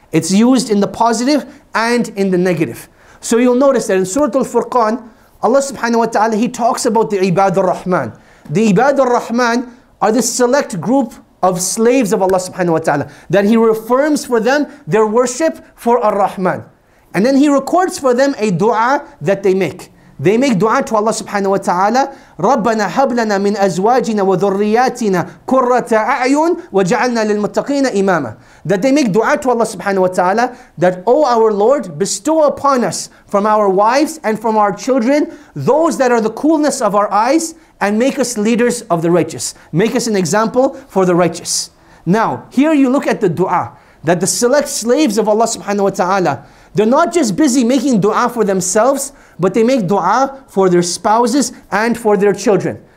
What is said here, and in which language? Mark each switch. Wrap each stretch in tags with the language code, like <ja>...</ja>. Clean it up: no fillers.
<en>It's used in the positive and in the negative. So you'll notice that in Surah Al-Furqan, Allah subhanahu wa ta'ala, He talks about the Ibad al-Rahman. The Ibad al-Rahman are the select group of slaves of Allah subhanahu wa ta'ala, that He reaffirms for them their worship for al-Rahman. And then He records for them a dua that they make. They make dua to Allah subhanahu wa ta'ala,</en> <ar>رَبَّنَا هَبْلَنَا مِنْ أَزْوَاجِنَا وَذُرِّيَاتِنَا كُرَّةَ أَعْيُنْ وَجَعَلْنَا لِلْمُتَّقِينَ إِمَامًا.</ar> <en>That they make dua to Allah subhanahu wa ta'ala, that, O our Lord, bestow upon us from our wives and from our children those that are the coolness of our eyes, and make us leaders of the righteous. Make us an example for the righteous. Now, here you look at the dua, that the select slaves of Allah subhanahu wa ta'ala, they're not just busy making dua for themselves, but they make dua for their spouses and for their children.</en>